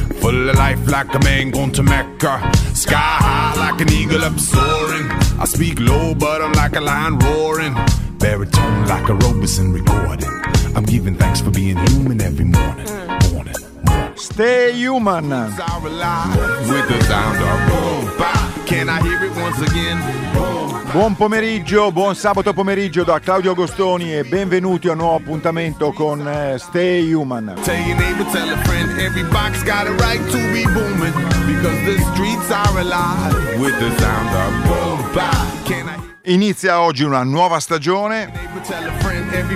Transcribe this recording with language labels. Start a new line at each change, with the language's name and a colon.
English: Full of life like a man going to Mecca. Sky high like an eagle up soaring. I speak low but I'm like a lion roaring. Baritone like a Robeson recording. I'm giving thanks for being human every morning. Morning. Stay human. With the sound of boom, bah. Can I hear it once again?
Italian: Buon pomeriggio, buon sabato pomeriggio da Claudio Agostoni e benvenuti a un nuovo appuntamento con Stay Human.
English: Tell your neighbor, tell a friend, every box got a right to be booming, because the streets are alive with the sound of boom, bah.
Italian: Inizia oggi una nuova stagione.